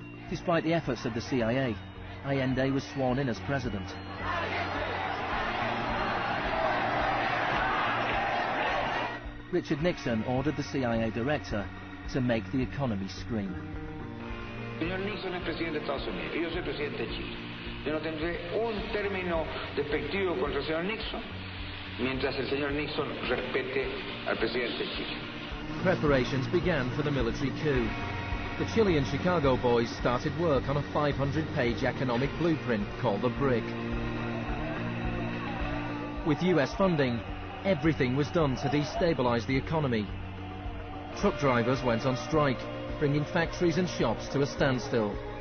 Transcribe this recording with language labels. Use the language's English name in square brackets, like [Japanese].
[English] Despite the efforts of the CIA, Allende was sworn in as president. Richard Nixon ordered the CIA director to make the economy scream. [Spanish] Señor Nixon es presidente de Estados Unidos, yo soy presidente de Chile. Yo no tendré un término despectivo contra el señor Nixon mientras el señor Nixon respete al presidente de Chile. [English] Preparations began for the military coup. The Chilean Chicago boys started work on a 500-page economic blueprint called the BRIC. With U.S. funding, everything was done to destabilize the economy. Truck drivers went on strike, bringing factories and shops to a standstill.